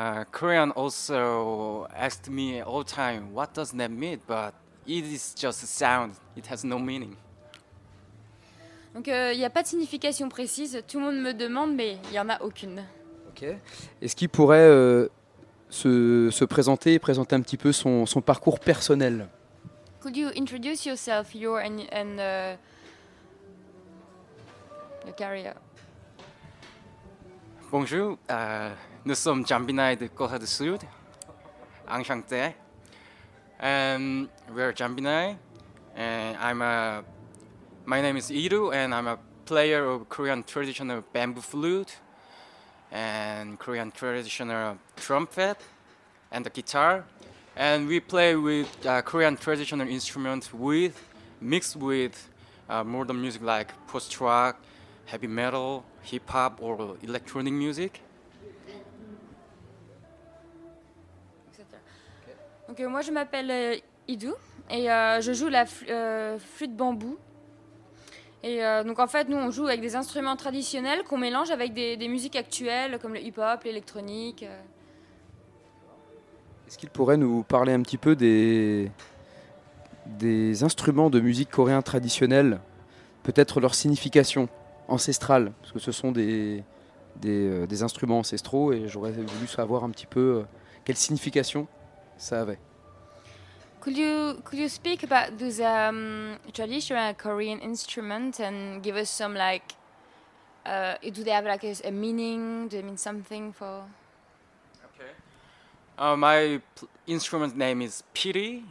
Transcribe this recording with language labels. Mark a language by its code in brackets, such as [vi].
[en] Korean also asked me all the time, what does that mean? But it is just a sound, it has no meaning. [fr] Donc il n'y a pas de signification précise, tout le monde me demande, mais il n'y en a aucune. Ok. Est-ce qu'il pourrait se présenter, présenter un petit peu son parcours personnel? [en] Could you introduce yourself, your and your career? [fr] Bonjour. Nous sommes Jambinaï de Corée du Sud, enchanté. [en] We are Jambinaï, and my name is Iru, and I'm a player of Korean traditional bamboo flute, and Korean traditional trumpet, and the guitar. And we play with Korean traditional instruments mixed with modern music like post-rock, heavy metal, hip-hop, or electronic music. [fr] Donc moi je m'appelle Idou et je joue la flûte bambou. Et donc en fait nous on joue avec des instruments traditionnels qu'on mélange avec des musiques actuelles comme le hip-hop, l'électronique. Est-ce qu'il pourrait nous parler un petit peu des instruments de musique coréen traditionnels, peut-être leur signification ancestrale, parce que ce sont des instruments ancestraux et j'aurais voulu savoir un petit peu quelle signification ça avait. [en] Could you speak about those traditional Korean instruments and give us some like do they have like a meaning? Do they mean something for? Okay. My instrument name is piri.